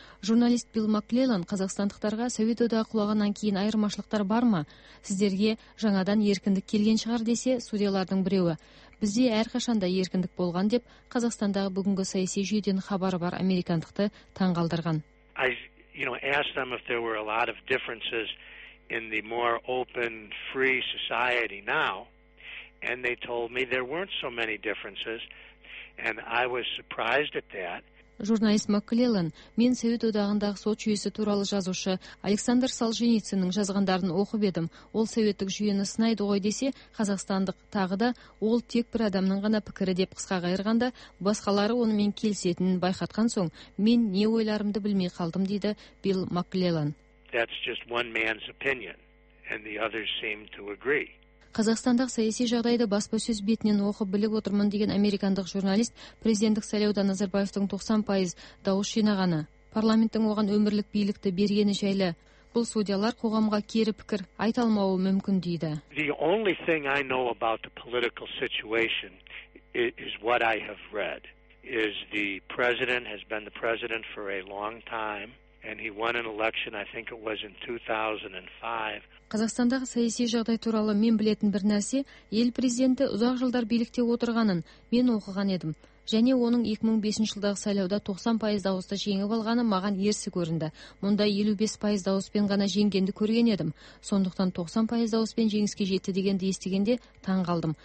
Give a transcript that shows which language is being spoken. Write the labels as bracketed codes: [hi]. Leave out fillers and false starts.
[kk] Журналист Билл Макклеллан қазақстандықтарға Совет одағы құлағаннан кейін айырмашылықтар бар ма? Сіздерге жаңадан еркіндік келген шығар десе, судьялардың біреуі. Бізде әрқашанда еркіндік болған деп, Қазақстандағы бүгінгі саяси жүйеден хабары бар американдықты таңғалдырған. [en] In the more open, free society now, and they told me there weren't so many differences, and I was surprised at that. [kk] Журналист Макклеллан, мен Совет одағындағы сот жүйесі туралы жазушы Александр Солженицынның жазғандарын оқып едім. Ол советтік жүйені сынайды ғой десе, қазақстандық тағы да ол тек бір адамның ғана пікірі деп қысқа қайырғанда, басқалары онымен келісетінін байқатқан соң, мен не ойларымды білмей қалдым, дейді Билл Макклеллан. [en] That's just one man's opinion, and the others seem to agree. [kk] Қазақстандық саяси жағдайды баспасөз бетінен оқып біліп отырмын деген американдық журналист президенттік сайлауда Назарбаевтың 90% дауыс жинағаны, парламенттің оған өмірлік билікті бергені жайлы бұл судьялар қоғамға кері пікір айта алмауы мүмкін, дейді. [en] The only thing I know about the political situation is what I have read, is the president has been the president for a long time. And he won an election, I think it was in 2005. [kk] Қазақстандағы саяси жағдай туралы мен білетін бір нәрсе, ел президенті ұзақ жылдар билікте отырғанын мен оқыған едім. Және оның 2005 жылдағы сайлауда 90% дауысты жеңіп алғаны маған ерсі көрінді. Мұнда 55% дауыспен ғана жеңгенді көрген едім. Сондықтан 90% дауыспен жеңіске жетті дегенді естігенде таң қалдым.